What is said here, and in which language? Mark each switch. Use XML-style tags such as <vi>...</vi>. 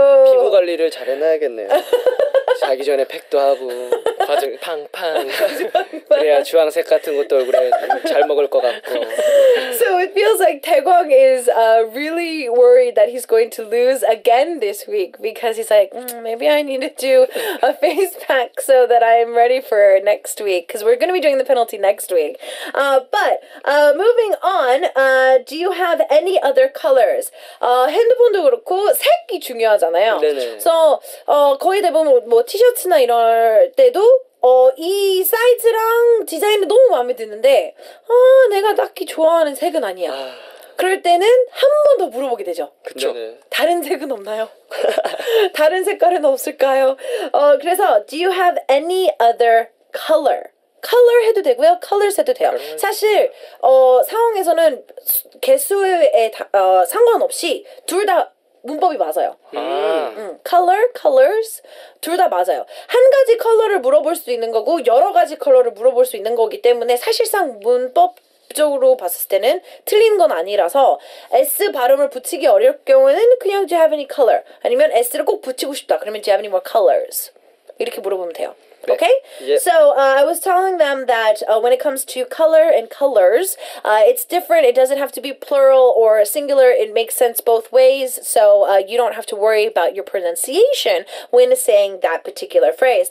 <ko>피부 관리를 잘 해놔야겠네요. 자기 전에 팩도 하고 과즙 팡팡 그래야 주황색 같은 것도 얼굴에 잘 먹을 것 같고.</ko> <en>So it feels like Daegwang is really worried that he's going to lose again this week because he's like maybe I need to do a face pack so that I'm ready for next week because we're going to be doing the penalty next week. But moving on, do you have any other colors?</en> <ko>핸드폰도 그렇고 색이 중요하잖아요. 네네. So 거의 대부분 뭐 티셔츠나 이럴 때도 이 사이즈랑 디자인이 너무 마음에 드는데 아 내가 딱히 좋아하는 색은 아니야. 그럴 때는 한 번 더 물어보게 되죠. 그쵸. 네네. 다른 색은 없나요? 다른 색깔은 없을까요? 그래서</ko> <en>Do you have any other color? Color</en> <ko>해도 되고요.</ko> <en>Colors</en> <ko>해도 돼요. 사실 상황에서는 개수에 상관없이 둘 다 문법이 맞아요. 컬러, 컬러스 둘 다 맞아요. 한 가지 컬러를 물어볼 수 있는 거고 여러 가지 컬러를 물어볼 수 있는 거기 때문에 사실상 문법적으로 봤을 때는 틀린 건 아니라서 S 발음을 붙이기 어려울 경우에는 그냥</ko> <en>Do you have any color?</en> <ko>아니면 S를 꼭 붙이고 싶다. 그러면</ko> <en>Do you have any more colors?</en> <ko>이렇게 물어보면 돼요. Okay?</ko> <en>Yep. So I was telling them that when it comes to color and colors, it's different. It doesn't have to be plural or singular. It makes sense both ways. So you don't have to worry about your pronunciation when saying that particular phrase.</en>